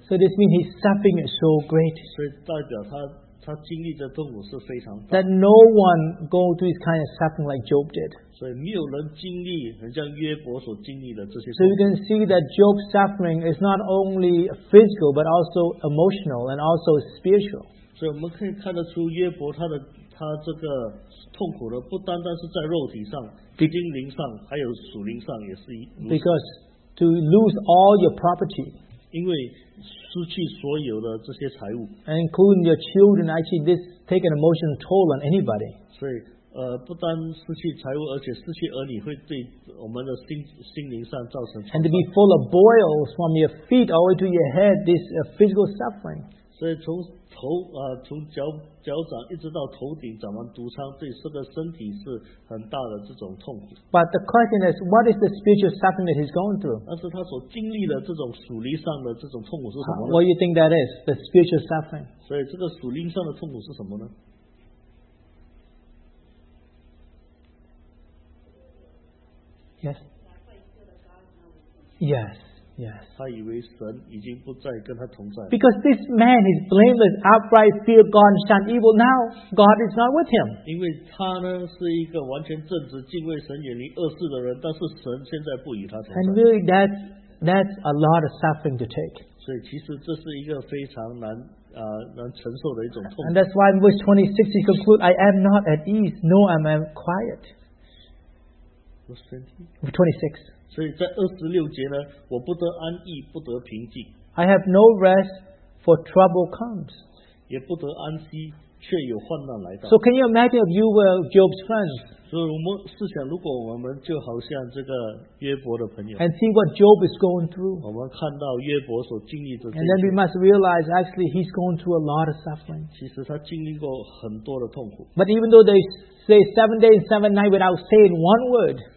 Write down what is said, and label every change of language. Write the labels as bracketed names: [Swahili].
[English] So this means his suffering is so great. [Chinese] 所以代表他经历的痛苦是非常大。 [English] That no one go through this kind of suffering like Job did. [Chinese] 所以没有人经历很像约伯所经历的这些。 [English] So you can see that Job's suffering is not only physical but also emotional and also spiritual. [Chinese] 所以我们可以看得出约伯他的他这个痛苦的不单单是在肉体上，精灵上，还有属灵上也是。 [English] Because to lose all your property, [Chinese] 因为失去所有的这些财物 [English] ，and including your children, actually this take an emotional toll on anybody. [Chinese] 所以，不单失去财物，而且失去儿女会对我们的心灵上造成。 [English] And to be full of boils from your feet all the way to your head, this physical suffering. [Chinese] 所以从头从脚掌一直到头顶长满毒疮，对这个身体是很大的这种痛苦。 [English] But the question is, what is the spiritual suffering that he's going through? [Chinese] 但是他所经历的这种属灵上的这种痛苦是什么呢？ [English] What do you think that is? The spiritual suffering. [Chinese] 所以这个属灵上的痛苦是什么呢？ [English] Yes. Yes. [Chinese] 他以为神已经不再跟他同在。 [English] Because this man is blameless, upright, fear God, shun evil. Now God is not with him. [Chinese] 因为他呢是一个完全正直、敬畏神、远离恶事的人，但是神现在不与他同在。 [English] And really, that's a lot of suffering to take. [Chinese] 所以其实这是一个非常难承受的一种痛苦。 [English] And that's why in verse 26 he concludes, "I am not at ease, nor am I quiet." 26. [Chinese] 所以在26节呢，我不得安逸，不得平静。 [English] I have no rest, for trouble comes. [Chinese] 也不得安息，却有患难来到。 [English] So can you imagine if you were Job's friend? [Chinese] 所以我们试想，如果我们就好像这个约伯的朋友。 [English] And see what Job is going through. [Chinese] 我们看到约伯所经历的这些。 [English] And then we must realize actually he's going through a lot of suffering. [Chinese] 其实他经历过很多的痛苦。 [English] But even though they say 7 days and 7 nights without saying one word.